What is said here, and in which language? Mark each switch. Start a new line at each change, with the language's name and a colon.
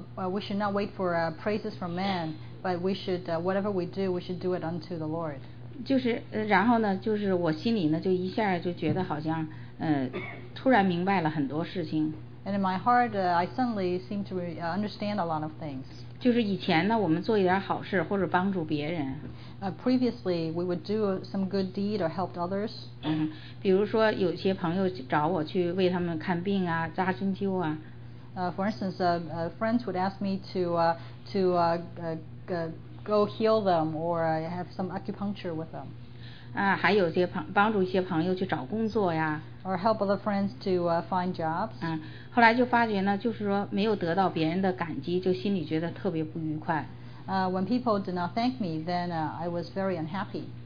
English: We should not wait for praises from man, but we should whatever we do, we should do it unto the Lord.
Chinese: 就是然后呢，就是我心里呢就一下就觉得好像突然明白了很多事情。
English: And in my heart, I suddenly seem to understand a lot of things.
Chinese: 就是以前呢，我们做一点好事或者帮助别人。
English: Previously, we would do some good deed or helped others.
Chinese: 比如说有些朋友找我去为他们看病啊，扎针灸啊。
English: For instance, friends would ask me to go heal them or have some acupuncture with them.
Chinese: 还有些帮助一些朋友去找工作呀。
English: Or help other friends to find jobs.
Chinese: 后来就发觉呢，就是说没有得到别人的感激，就心里觉得特别不愉快。
English: When people did not thank me, then I was very unhappy.